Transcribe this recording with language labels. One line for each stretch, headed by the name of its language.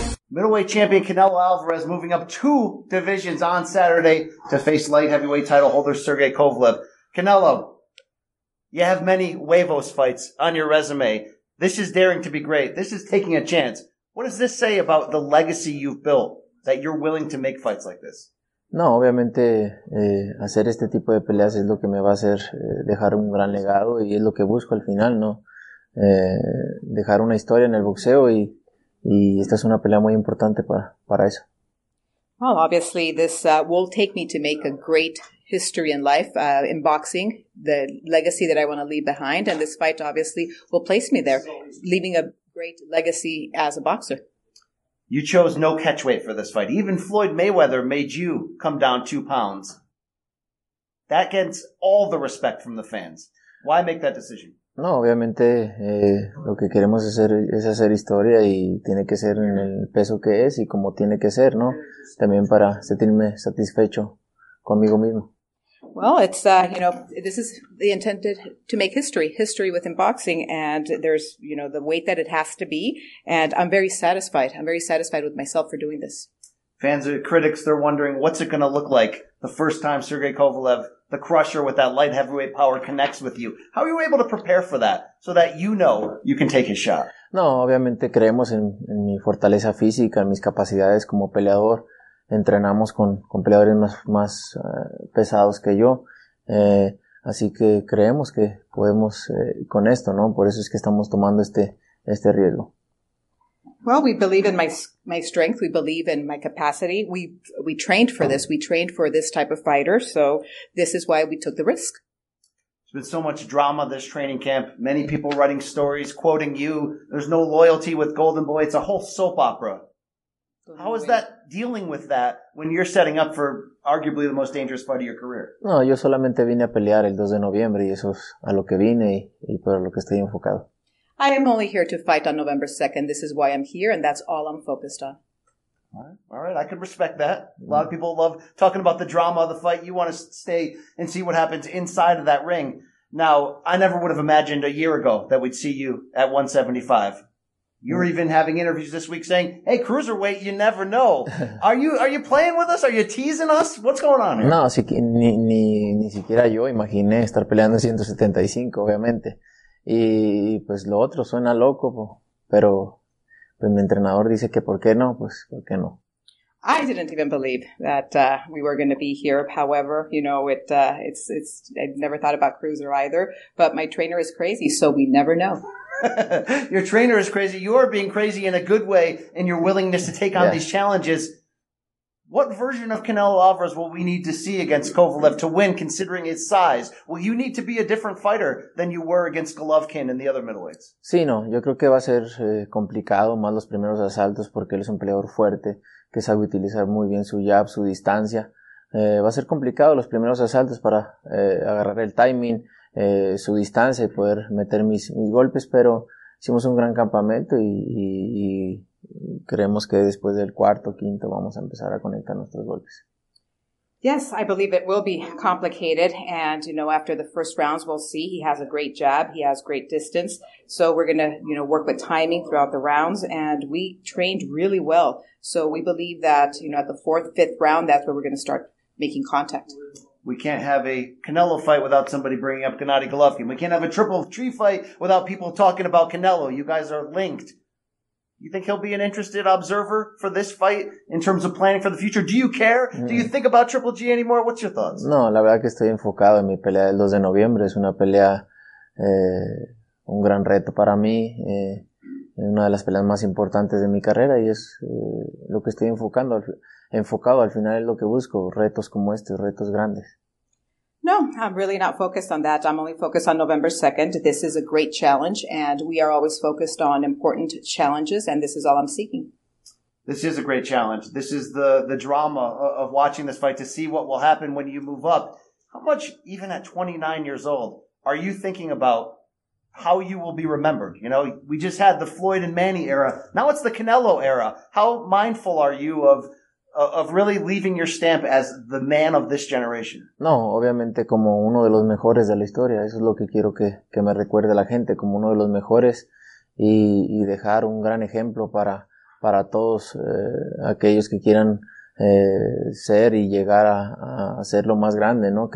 English: Middleweight champion Canelo Alvarez moving up two divisions on Saturday to face light heavyweight title holder Sergey Kovalev. Canelo, you have many huevos fights on your resume. This is daring to be great. This is taking a chance. What does this say about the legacy you've built that you're willing to make fights like this?
Spanish: No, obviamente hacer este tipo de peleas es lo que me va a hacer dejar un gran legado y es lo que busco al final, ¿no? Dejar una historia en el boxeo y... Y esta es una pelea muy importante para eso.
English: Well, obviously, this will take me to make a great history in life, in boxing, the legacy that I want to leave behind. And this fight, obviously, will place me there, leaving a great legacy as a boxer. You chose no catchweight for this fight. Even Floyd Mayweather made you come down 2 pounds. That gets all the respect from the fans. Why make that decision?
Spanish: No, obviamente lo que queremos es hacer historia y tiene que ser en el peso que es y como tiene que ser, ¿no? También para sentirme satisfecho conmigo mismo.
English: Well, it's this is the intended to make history within boxing, and there's the weight that it has to be, and I'm very satisfied. I'm very satisfied with myself for doing this. Fans and critics, they're wondering what's it going to look like the first time Sergey Kovalev, the crusher with that light heavyweight power, connects with you. How are you able to prepare for that so that you know you can take his shot?
Spanish: No, obviamente creemos en mi fortaleza física, en mis capacidades como peleador. Entrenamos con peleadores más pesados que yo. Así que creemos que podemos con esto, ¿no? Por eso es que estamos tomando este riesgo.
English: Well, we believe in my strength. We believe in my capacity. We trained for this. We trained for this type of fighter. So this is why we took the risk. There's been so much drama this training camp. Many people writing stories, quoting you. There's no loyalty with Golden Boy. It's a whole soap opera. How is that dealing with that when you're setting up for arguably the most dangerous fight of your career?
Spanish: No, yo solamente vine a pelear el 2 de noviembre y eso es a lo que vine y para lo que estoy enfocado.
English: I am only here to fight on November 2nd. This is why I'm here, and that's all I'm focused on. All right. I can respect that. A lot of people love talking about the drama of the fight. You want to stay and see what happens inside of that ring. Now, I never would have imagined a year ago that we'd see you at 175. You're even having interviews this week saying, hey, cruiserweight, you never know. Are you playing with us? Are you teasing us? What's going on here?
Spanish: No, si, ni siquiera yo imaginé estar peleando 175, obviamente. Y pues lo otro suena loco, pero pues mi entrenador dice que por qué no, pues por qué no.
English: I didn't even believe that we were going to be here. However, it's I never thought about Cruiser either, but my trainer is crazy, so we never know. Your trainer is crazy. You are being crazy in a good way in your willingness to take on these challenges. What version of Canelo Alvarez will we need to see against Kovalev to win, considering his size? Will you need to be a different fighter than you were against Golovkin and the other middleweights?
Spanish: Sí, no. Yo creo que va a ser complicado, más los primeros asaltos, porque él es un peleador fuerte, que sabe utilizar muy bien su jab, su distancia. Va a ser complicado los primeros asaltos para agarrar el timing, su distancia y poder meter mis golpes, pero hicimos un gran campamento y creemos que después del cuarto, quinto, vamos a empezar a conectar nuestros golpes.
English: Yes, I believe it will be complicated. And, after the first rounds, we'll see. He has a great jab. He has great distance. So we're going to, work with timing throughout the rounds. And we trained really well. So we believe that, at the fourth, fifth round, that's where we're going to start making contact. We can't have a Canelo fight without somebody bringing up Gennady Golovkin. We can't have a triple tree fight without people talking about Canelo. You guys are linked. You think he'll be an interested observer for this fight in terms of planning for the future? Do you care? Mm. Do you think about Triple G anymore? What's your thoughts?
Spanish: No, la verdad que estoy enfocado en mi pelea del 2 de noviembre. Es una pelea, un gran reto para mí. Una de las peleas más importantes de mi carrera y es lo que estoy enfocado al final es lo que busco, retos como este, retos grandes.
English: No, I'm really not focused on that. I'm only focused on November 2nd. This is a great challenge and we are always focused on important challenges and this is all I'm seeking. This is a great challenge. This is the drama of watching this fight to see what will happen when you move up. How much, even at 29 years old, are you thinking about how you will be remembered? You know, we just had the Floyd and Manny era. Now it's the Canelo era. How mindful are you of really leaving your stamp as the man of this generation?
Spanish: No, obviamente como uno de los mejores de la historia. Eso es lo que quiero que me recuerde la gente, como uno de los mejores y dejar un gran ejemplo para todos aquellos que quieran ser y llegar a ser lo más grande, ¿no?